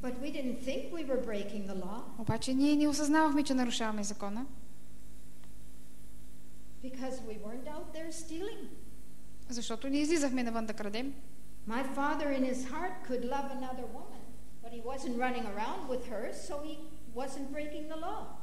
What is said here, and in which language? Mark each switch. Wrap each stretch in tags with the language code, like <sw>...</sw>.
<en>But we didn't think we were breaking the law.</en> <bg>Обаче ние не осъзнавахме, че нарушаваме закона.</bg> <en>Because we weren't out there stealing.</en> <bg>Защото не излизахме навън да крадем.</bg> <en>My father in his heart could love another woman, but he wasn't running around with her, so he wasn't breaking the law.</en>